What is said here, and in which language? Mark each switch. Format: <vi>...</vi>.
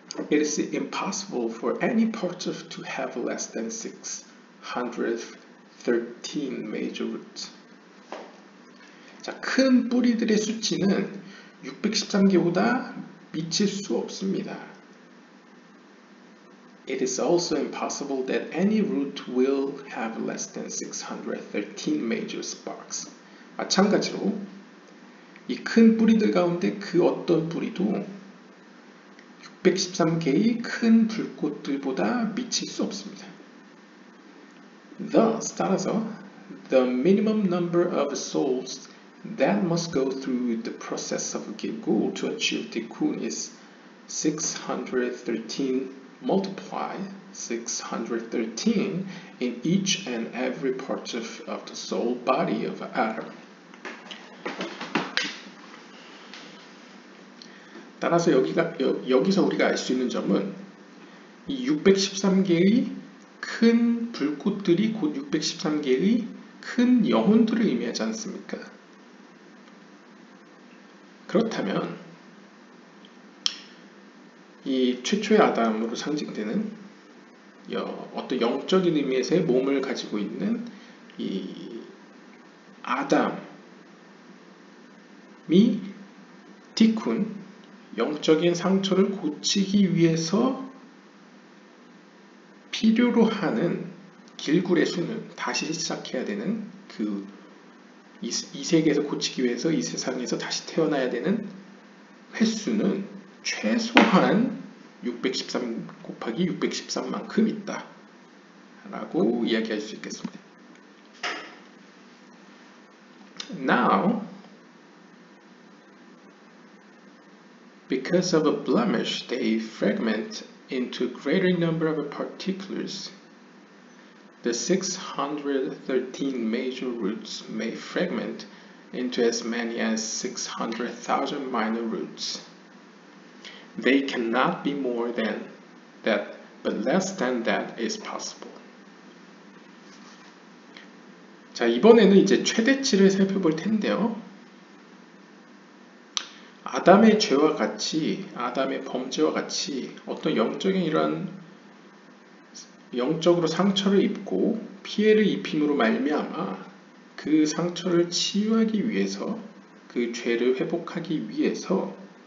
<en>'It is impossible for any part of to have less than 613 major roots.'</en> <ko>자, 큰 뿌리들의 수치는 613개보다 미칠 수 없습니다.</ko> <en>'It is also impossible that any root will have less than 613 major sparks.'</en> <ko>마찬가지로 이 큰 뿌리들 가운데 그 어떤 뿌리도 613개의 큰 불꽃들보다 미칠 수 없습니다.</ko> <en>Thus,</en> <ko>따라서</ko> <en>the minimum number of souls that must go through the process of Gilgul to achieve Tikkun is 613 multiply 613 in each and every part of the soul body of Adam.</en> <ko>따라서 여기서 우리가 알 수 있는 점은 이 613개의 큰 불꽃들이 곧 613개의 큰 영혼들을 의미하지 않습니까? 그렇다면 이 최초의 아담으로 상징되는 어떤 영적인 의미에서의 몸을 가지고 있는 이 아담이 티쿤 영적인 상처를 고치기 위해서 필요로 하는 길굴의 수는 다시 시작해야 되는 그 이 세계에서 고치기 위해서 이 세상에서 다시 태어나야 되는 횟수는 최소한 613 곱하기 613만큼 있다 라고 이야기할 수 있겠습니다.</ko> <en>Now, because of a blemish, they fragment into greater number of particulars. The 613 major roots may fragment into as many as 600,000 minor roots. They cannot be more than that, but less than that is possible.</en> <ko>자, 이번에는 이제 최대치를 살펴볼 텐데요. 아담의 죄와 같이, 아담의 범죄와 같이 어떤 영적인 이런 영적으로 상처를 입고 피해를 입힘으로 말미암아 그 상처를 치유하기 위해서 그 죄를 회복하기 위해서</ko>